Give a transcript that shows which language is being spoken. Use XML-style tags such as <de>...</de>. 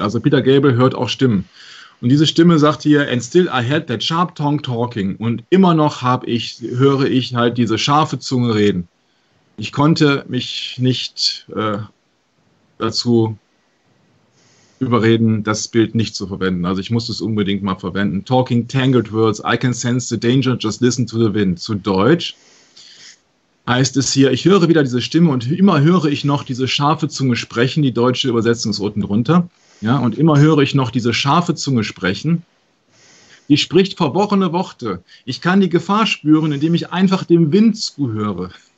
<de>Also Peter Gabriel hört auch Stimmen. Und diese Stimme sagt hier,</de> <en>and still I had that sharp tongue talking.</en> <de>Und immer noch höre ich halt diese scharfe Zunge reden. Ich konnte mich nicht dazu überreden, das Bild nicht zu verwenden. Also ich muss es unbedingt mal verwenden.</de> <en>Talking tangled words, I can sense the danger, just listen to the wind.</en> <de>Zu Deutsch heißt es hier, ich höre wieder diese Stimme und immer höre ich noch diese scharfe Zunge sprechen, die deutsche Übersetzung ist unten drunter, ja, und immer höre ich noch diese scharfe Zunge sprechen, die spricht verworrene Worte. Ich kann die Gefahr spüren, indem ich einfach dem Wind zuhöre.</de>